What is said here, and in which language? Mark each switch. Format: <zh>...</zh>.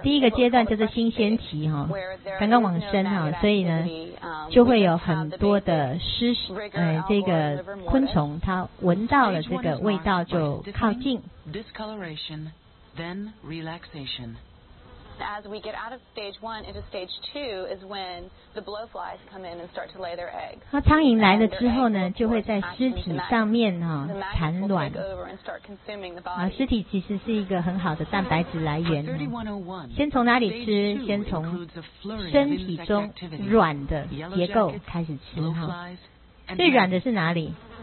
<zh>第一个阶段就是新鲜期哈，刚刚往生哈，所以呢就会有很多的湿，这个昆虫它闻到了这个味道就靠近。</zh> <en>Discoloration, then relaxation. As we get out of stage one into stage two is when the blowflies come in and start to lay their eggs.</en> <zh>那苍蝇来了之后呢，就会在尸体上面哈产卵。啊，尸体其实是一个很好的蛋白质来源。先从哪里吃？先从身体中软的结构开始吃哈。最软的是哪里？</zh>